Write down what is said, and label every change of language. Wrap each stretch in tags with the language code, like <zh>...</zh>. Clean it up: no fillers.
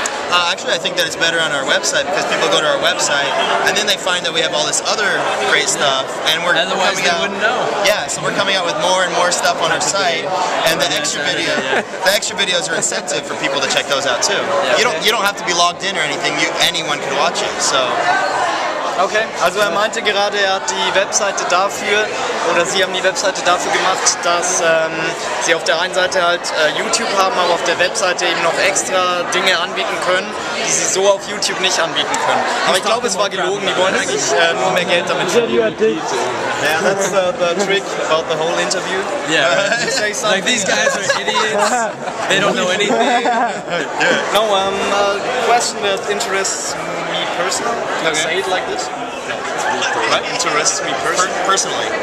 <en>Actually, I think that it's better on our website because people go to our website and then they find that we have all this other great stuff and we're otherwise coming they out, wouldn't know. Yeah, so we're coming out with more and more stuff on our site and the extra video. The extra videos are incentive for people to check those out too. Yeah, okay. You don't have to be logged in or anything. Anyone can watch it. So</en> <de>Okay, also er meinte gerade, er hat die Webseite dafür, oder sie haben die Webseite dafür gemacht, dass sie auf der einen Seite halt YouTube haben, aber auf der Webseite eben noch extra Dinge anbieten können, die sie so auf YouTube nicht anbieten können. Aber ich glaube, es war gelogen, die wollen eigentlich nur mehr Geld damit verdienen.</de> <en>Yeah, that's the trick about the whole interview. Yeah, right. Like these guys are idiots, they don't know anything. Yeah. No, a question that interests me personally. Okay. Say it like this. Right? Interests me personally.</en>